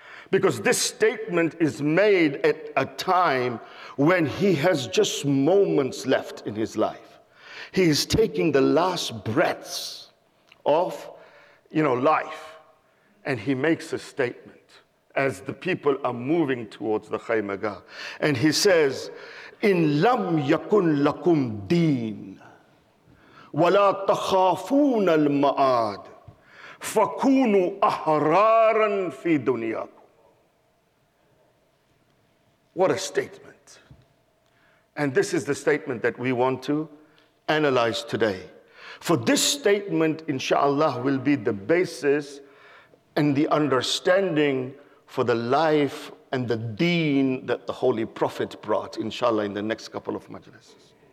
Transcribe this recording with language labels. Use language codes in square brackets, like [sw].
[en] Because this statement is made at a time when he has just moments left in his life. He is taking the last breaths of, you know, life. And he makes a statement as the people are moving towards the Khaymagah. And he says, [ar] إِنْ لَمْ يَكُنْ لَكُمْ دِينَ وَلَا تَخَافُونَ الْمَآدِ فَكُونُوا أَحْرَارًا فِي دُنْيَاكُمْ. [en] What a statement. And this is the statement that we want to analyze today. For this statement, inshallah, will be the basis and the understanding for the life and the deen that the Holy Prophet brought, inshallah, in the next couple of majlises.